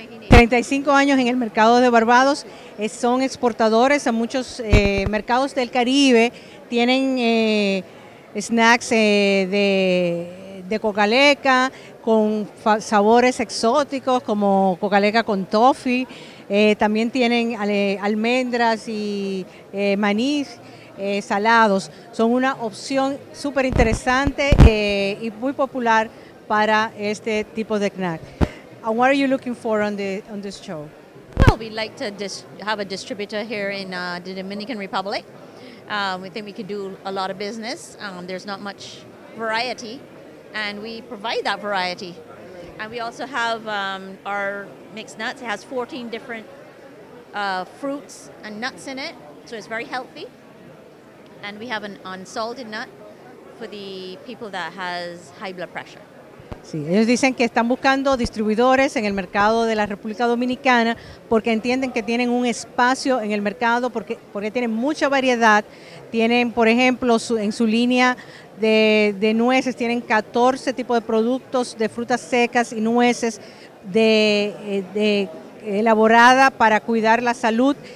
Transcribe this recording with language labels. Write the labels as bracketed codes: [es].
[es] 35 años en el mercado de Barbados, son exportadores a muchos mercados del Caribe, tienen snacks de cocaleca con sabores exóticos como cocaleca con toffee, también tienen almendras y maní salados, son una opción súper interesante y muy popular para este tipo de snack. [en] And what are you looking for on this show? Well, we'd like to have a distributor here in the Dominican Republic. We think we could do a lot of business. There's not much variety, and we provide that variety. And we also have our mixed nuts. It has 14 different fruits and nuts in it, so it's very healthy. And we have an unsalted nut for the people that has high blood pressure. [es] Sí, ellos dicen que están buscando distribuidores en el mercado de la República Dominicana porque entienden que tienen un espacio en el mercado porque tienen mucha variedad. Tienen, por ejemplo, en su línea de nueces, tienen 14 tipos de productos de frutas secas y nueces de elaborada para cuidar la salud.